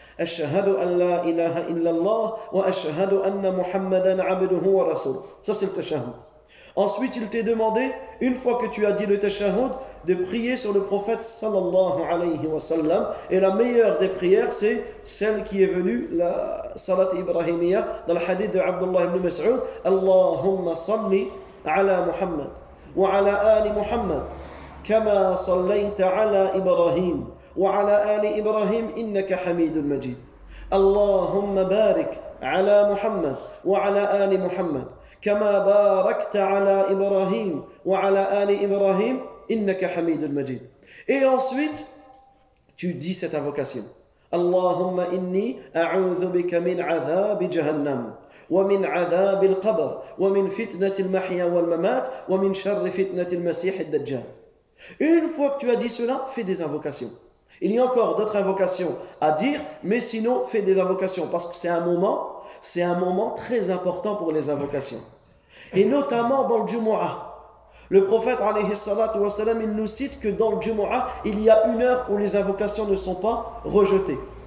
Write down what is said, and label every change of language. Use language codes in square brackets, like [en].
[ar] أشهد أن لا إله إلا الله وأشهد أن محمدا عبده ورسوله. [fr] Ça c'est le tashahhud. Ensuite, il t'est demandé, une fois que tu as dit le tashahhud, de prier sur le prophète sallallahu alayhi wa sallam. Et la meilleure des prières, c'est celle qui est venue, la salat ibrahimiya, dans le hadith de Abdullah ibn Mas'ud. [ar] Allahumma salli ala Muhammad wa ala ali Muhammad kama sallaita ala Ibrahim وعلى آل إبراهيم إنك حميد مجيد اللهم بارك على محمد وعلى آل محمد كما باركت على إبراهيم وعلى آل إبراهيم إنك حميد مجيد. [fr] Et ensuite tu dis cette invocation. [ar] اللهم إني أعوذ بك من عذاب جهنم ومن عذاب القبر ومن فتنة المحيا والممات ومن شر فتنة المسيح الدجال. [fr] Une fois que tu as dit cela, fais des invocations. Il y a encore d'autres invocations à dire, mais sinon, fais des invocations, parce que c'est un moment très important pour les invocations. Et notamment dans le Jumu'ah. Le prophète, alayhi salatu wa salam, il nous cite que dans le Jumu'ah, il y a une heure où les invocations ne sont pas rejetées.